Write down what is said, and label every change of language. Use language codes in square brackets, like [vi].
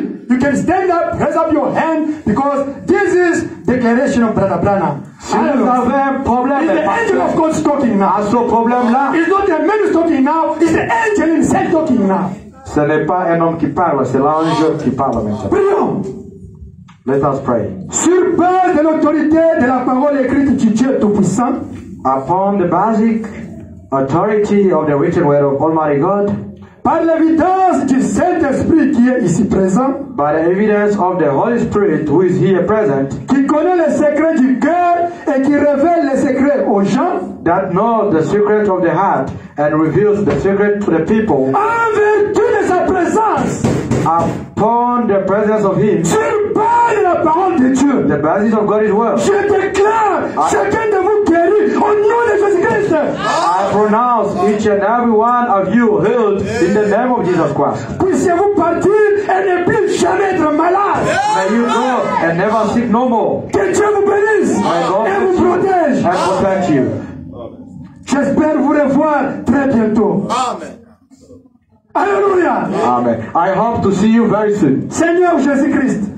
[en] you can stand up, raise up your hand, because this is declaration of Brother Branham. [fr] Si vous avez un problème, [en] it's the angel of God talking now. [fr] À ce problème là, [en] it's not a man who's talking now, it's the angel himself talking now. [fr] Ce n'est pas un homme qui parle, c'est l'ange qui parle maintenant. Prions. [en] Let us pray. [fr] Sur base de l'autorité de la parole écrite du Dieu Tout-Puissant. [en] Upon the basic authority of the written word of Almighty God. [fr] Par l'évidence du Saint-Esprit qui est ici présent. [en] By the evidence of the Holy Spirit who is here present. [fr] Qui connaît les secrets du cœur et qui révèle les secrets aux gens. [en] That knows the secret of the heart and reveals the secret to the people. [fr] En vertu de sa présence. [en] Upon the presence of him. [fr] Sur base de la parole de Dieu. [en] The basis of God's word. [fr] Je déclare chacun de vous guéri au nom de Jésus Christ. [en] I pronounce each and every one of you healed in the name of Jesus Christ. [fr] Puissiez-vous partir et ne plus jamais être malade. [en] May you go and never sick no more. [fr] Que Dieu vous bénisse et vous protège. [en] And protect you. [fr] J'espère vous revoir très bientôt. [en] Amen. [fr] Alléluia. [en] Amen. I hope to see you very soon. [fr] Seigneur Jésus Christ.